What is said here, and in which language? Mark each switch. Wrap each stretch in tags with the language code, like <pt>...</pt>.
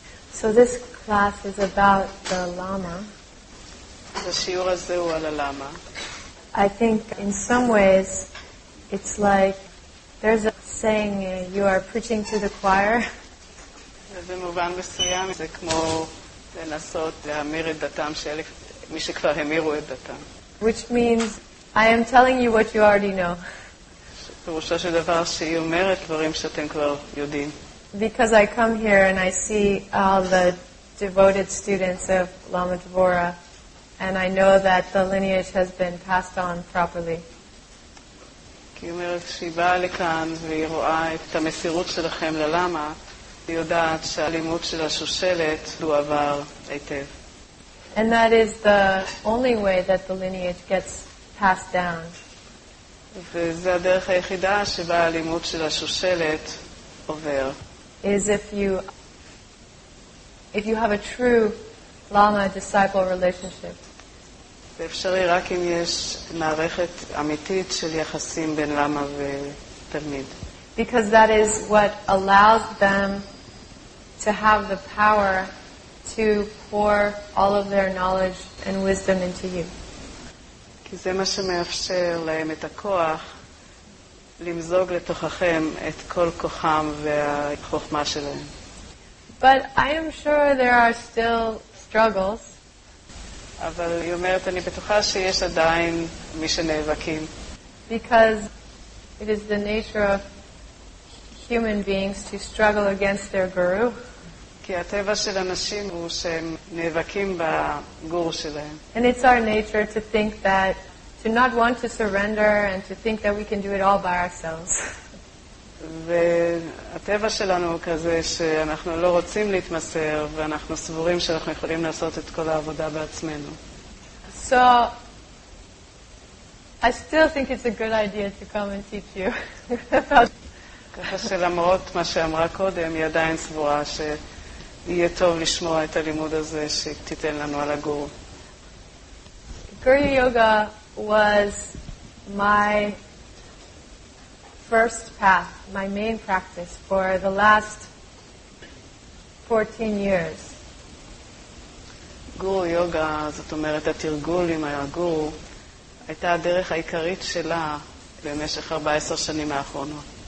<en>So this class is about the lama. This class is about the lama. I think in some ways it's like there's a saying, you are preaching to the choir.</en> <he>במובן מסוים זה כמו לנסות להמיר את דתם של מי שכבר המירו את דתם.</he> <en>Which means I am telling you what you already know.</en> <he>פירושו של דבר שהיא אומרת דברים שאתם כבר יודעים.</he> <en>Because I come here and I see all the devoted students of Lama Dvora. And I know that the lineage has been passed on properly.</en> <he>כמרת שיבה לכאן וירואה את המסירות שלכם ללמה, יודעת שהלימוד של השושלת דועבר היטב.</he> <en>And that is the only way that the lineage gets passed down.</en> <he>וזה הדרך היחידה שבה הלימוד של השושלת עובר.</he> <en>Is if you have a true lama disciple relationship.</en> <he>אפשרי רק אם יש מערכת אמיתית של יחסים בין למה ותלמיד.</he> <en>Because that is what allows them to have the power to pour all of their knowledge and wisdom into you.</en> <he>כי זה מה שמאפשר להם את הכוח למזוג לתוככם את כל כוחם והחוכמה שלהם.</he> <en>But I am sure there are still struggles.</en> <he>אבל היא אומרת, אני בטוחה שיש עדיין מי שנאבקים.</he> <en>Because it is the nature of human beings to struggle against their guru.</en> <he>כי הטבע של אנשים הוא שהם נאבקים בגור שלהם.</he> <en>And it's our nature to think that, to not want to surrender and to think that we can do it all by ourselves.</en> <he>והטבע שלנו הוא כזה שאנחנו לא רוצים להתמסר ואנחנו סבורים שאנחנו יכולים לעשות את כל העבודה בעצמנו.</he> <en>So I still think it's a good idea to come and teach you.</en> <he>ככה שלמרות מה שאמרה קודם, היא עדיין סבורה שיהיה טוב לשמוע את הלימוד הזה שתיתן לנו על הגור.</he> <en>Guru Yoga was my first path, my main practice for the last 14 years.</en> <he>Guru Yoga, זאת אומרת התרגול עם הגור, הייתה הדרך העיקרית שלה במשך 14 שנים האחרונות.</he>